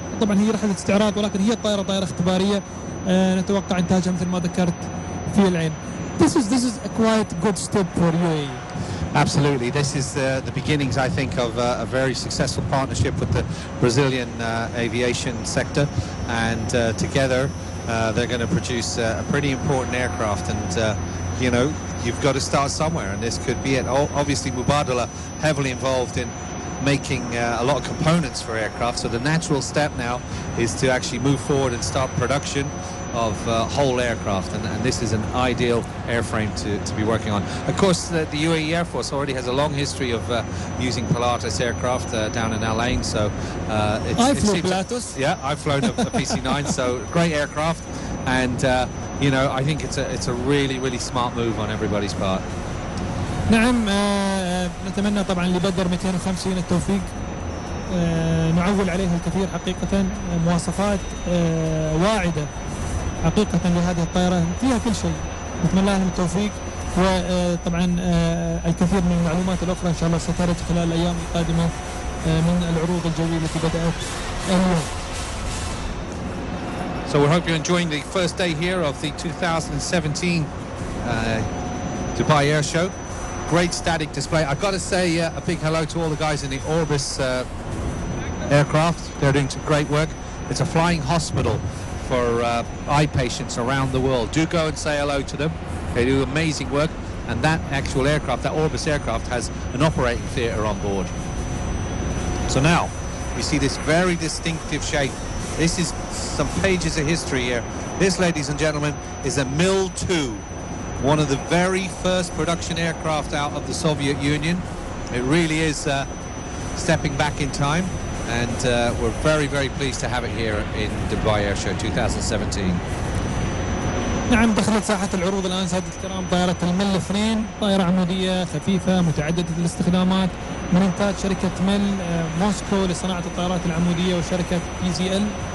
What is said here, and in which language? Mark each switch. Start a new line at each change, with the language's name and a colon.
Arabic: طبعا هي رحلة استعراض، ولكن هي الطائرة طائرة اختبارية، نتوقع انتاجها مثل ما ذكرت في العين.
English: This is a quite good step for UAE. Absolutely, this is the beginnings, I think, of a very successful partnership with the Brazilian aviation sector, and together they're going to produce a pretty important aircraft. And you know, you've got to start somewhere, and this could be it. Obviously, Mubadala heavily involved in making a lot of components for aircraft, so the natural step now is to actually move forward and start production of whole aircraft, and this is an ideal airframe to be working on. Of course, the UAE Air Force already has a long history of using Pilatus aircraft down in LA, so I've flown a PC-9, so great aircraft, and you know, I think it's a really, really smart move on everybody's part.
Arabic: نعم، نتمنى طبعا لبدر 250 التوفيق، نعول عليه الكثير حقيقة، مواصفات واعدة حقيقة لهذه الطائرة، فيها كل شيء. نتمنى لهم التوفيق، وطبعا الكثير من المعلومات الأخرى إن شاء الله ستأتي خلال الأيام القادمة من العروض الجوية التي بدأت اليوم.
English: So we hope you're enjoying the first day here of the 2017 Dubai Air Show. Great static display. I've got to say a big hello to all the guys in the Orbis aircraft. They're doing some great work. It's a flying hospital for eye patients around the world. Do go and say hello to them. They do amazing work. And that actual aircraft, that Orbis aircraft, has an operating theatre on board. So now, we see this very distinctive shape. This is some pages of history here. This, ladies and gentlemen, is a Mil-2, one of the very first production aircraft out of the Soviet Union. It really is stepping back in time, and we're very, very pleased to have it here in Dubai Air Show 2017.
Arabic: نعم دخلت ساحة العروض الآن سادة الكرام طائرة المل 2 طائرة عمودية خفيفة متعددة الاستخدامات من إنتاج شركة مل موسكو لصناعة الطائرات العمودية وشركة بي زي ال